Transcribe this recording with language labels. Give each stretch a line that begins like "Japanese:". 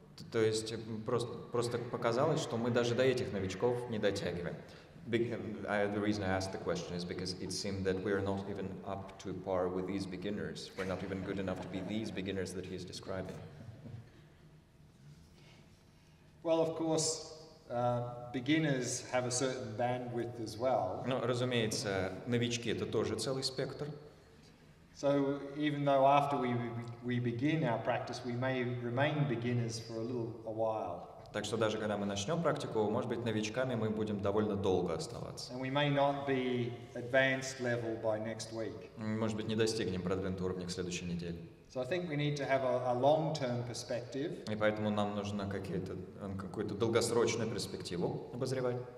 Russian: То есть просто показалось, что мы даже до этих новичков не дотягиваем.
English: The reason I asked the question is because it seemed that we are not even up to par with these beginners. We're not even good enough to be these beginners that he is describing. Well, of course, beginners have a certain bandwidth as well.
Russian: Ну, разумеется, новички это тоже целый спектр.
English: So even though after we begin our practice, we may remain beginners for a while.
Russian: Так что даже когда мы начнем практику, может быть, новичками мы будем довольно долго оставаться.
English: And we may not be advanced level by next week.
Russian: Может быть, не достигнем продвинутого уровня к следующей неделе.
English: So I think we need to have a long-term perspective.
Russian: И поэтому нам нужно какую-то долгосрочную перспективу обозревать.